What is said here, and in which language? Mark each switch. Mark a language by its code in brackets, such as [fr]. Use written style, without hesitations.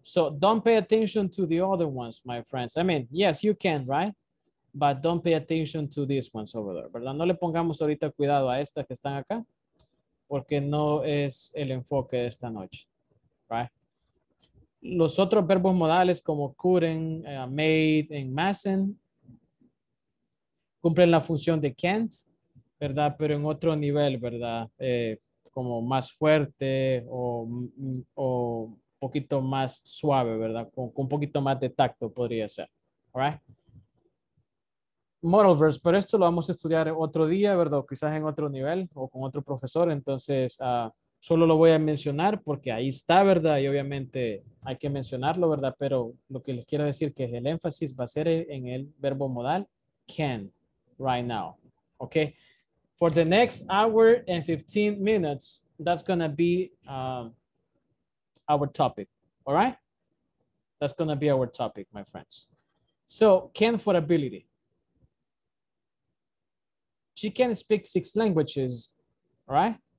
[en] So don't pay attention to the other ones, my friends. I mean, yes, you can, right? But don't pay attention to these ones over there, [es] ¿verdad? No le pongamos ahorita cuidado a estas que están acá porque no es el enfoque de esta noche, [en] right? [es] Los otros verbos modales como couldn't, made, and mustn't cumplen la función de can't, ¿verdad? Pero en otro nivel, ¿verdad? Como más fuerte o poquito más suave, ¿verdad? Con un poquito más de tacto podría ser, [en] all right? Modal verbs, [es] pero esto lo vamos a estudiar otro día, ¿verdad? O quizás en otro nivel o con otro profesor, entonces solo lo voy a mencionar porque ahí está, ¿verdad? Y obviamente hay que mencionarlo, ¿verdad? Pero lo que les quiero decir que el énfasis va a ser en el verbo modal can [en] right now, [es] ¿ok? [en] For the next hour and 15 minutes, that's going to be our topic, all right? That's going to be our topic, my friends. So, can for ability. She can speak 6 languages, all right?